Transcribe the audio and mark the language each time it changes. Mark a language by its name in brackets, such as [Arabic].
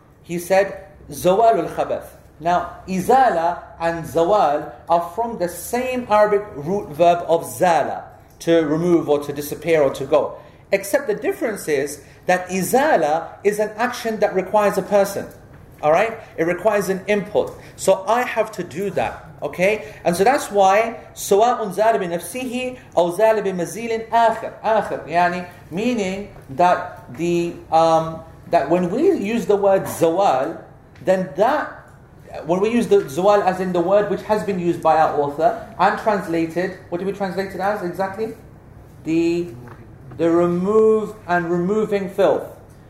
[English] He said, zawalul khabath. Now, izala and zawal are from the same Arabic root verb of zala, to remove or to disappear or to go. Except the difference is that izala is an action that requires a person. All right? It requires an input. So I have to do that. Okay? And so that's why, [Arabic] سواءٌ زال بنفسه أو زال بمزيل آخر. آخر. [English] يعني, meaning that the that when we use the word زوال, then that, when we use the زوال as in the word which has been used by our author and translated, what do we translate it as exactly? The remove and removing filth.